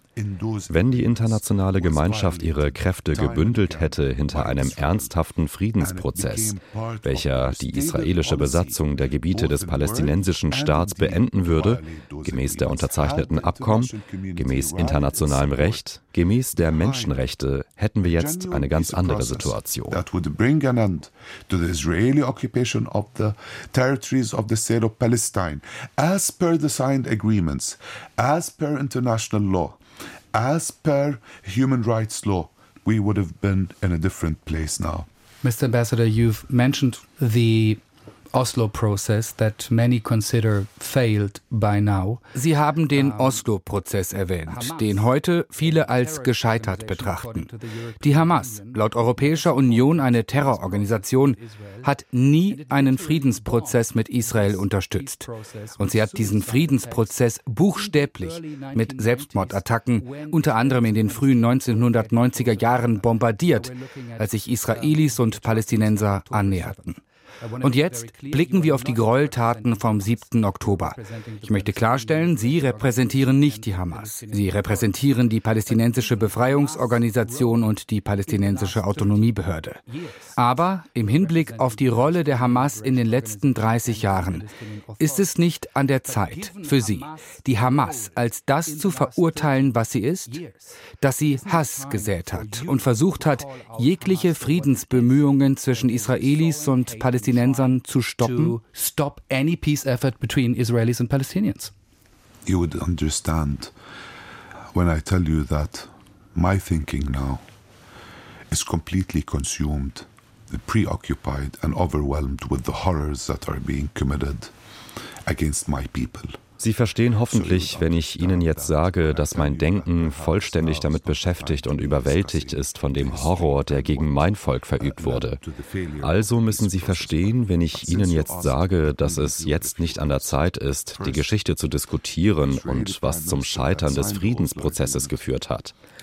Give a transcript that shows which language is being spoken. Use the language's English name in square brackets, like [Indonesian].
[German] Wenn die internationale Gemeinschaft ihre Kräfte gebündelt hätte hinter einem ernsthaften Friedensprozess, welcher die israelische Besatzung der Gebiete des palästinensischen Staats beenden würde, gemäß der unterzeichneten Abkommen, gemäß internationalem Recht, gemäß der Menschenrechte, hätten wir jetzt eine ganz andere Situation. [English] That would bring an end to the Israeli occupation of the territories of the state of Palestine, as per the signed agreements, as per international law. As per human rights law, we would have been in a different place now. Mr. Ambassador, you've mentioned the Oslo process that many consider failed by now. [German] Sie haben den Oslo-Prozess erwähnt, den heute viele als gescheitert betrachten. Die Hamas, laut Europäischer Union eine Terrororganisation, hat nie einen Friedensprozess mit Israel unterstützt. Und sie hat diesen Friedensprozess buchstäblich mit Selbstmordattacken, unter anderem in den frühen 1990er Jahren, bombardiert, als sich Israelis und Palästinenser annäherten. Und jetzt blicken wir auf die Gräueltaten vom 7. Oktober. Ich möchte klarstellen, Sie repräsentieren nicht die Hamas. Sie repräsentieren die palästinensische Befreiungsorganisation und die palästinensische Autonomiebehörde. Aber im Hinblick auf die Rolle der Hamas in den letzten 30 Jahren, ist es nicht an der Zeit für Sie, die Hamas als das zu verurteilen, was sie ist? Dass sie Hass gesät hat und versucht hat, jegliche Friedensbemühungen zwischen Israelis und Palästinensern zu stoppen, [English] stop any peace effort between Israelis and Palestinians. You would understand when I tell you that my thinking now is completely consumed, preoccupied and overwhelmed with the horrors that are being committed against my people. [German] Sie verstehen hoffentlich, wenn ich Ihnen jetzt sage, dass mein Denken vollständig damit beschäftigt und überwältigt ist von dem Horror, der gegen mein Volk verübt wurde. Also müssen Sie verstehen, wenn ich Ihnen jetzt sage, dass es jetzt nicht an der Zeit ist, die Geschichte zu diskutieren und was zum Scheitern des Friedensprozesses geführt hat.